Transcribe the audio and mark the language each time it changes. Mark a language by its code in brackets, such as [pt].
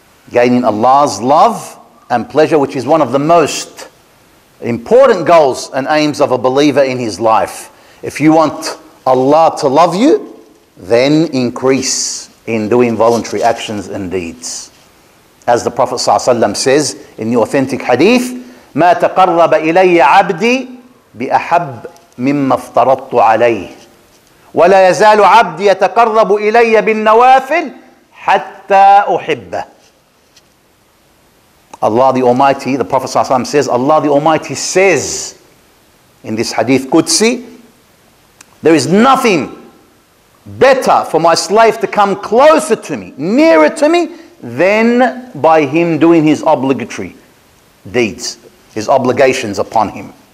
[en] Gaining Allah's love and pleasure, which is one of the most important goals and aims of a believer in his life. If you want Allah to love you, then increase in doing voluntary actions and deeds. As the Prophet ﷺ says in the authentic hadith, [ar] مَا تَقَرَّبَ إِلَيَّ عَبْدِي بِأَحَبِّ مِمَّا افْتَرَطْتُ عَلَيْهِ وَلَا يَزَالُ عَبْدِي يَتَقَرَّبُ إِلَيَّ بِالنَّوَافِلِ حَتَّى أُحِبَّهِ. [en] Allah the Almighty, the Prophet ﷺ says, Allah the Almighty says in this hadith Qudsi, there is nothing better for my slave to come closer to me, nearer to me, than by him doing his obligatory deeds, his obligations upon him.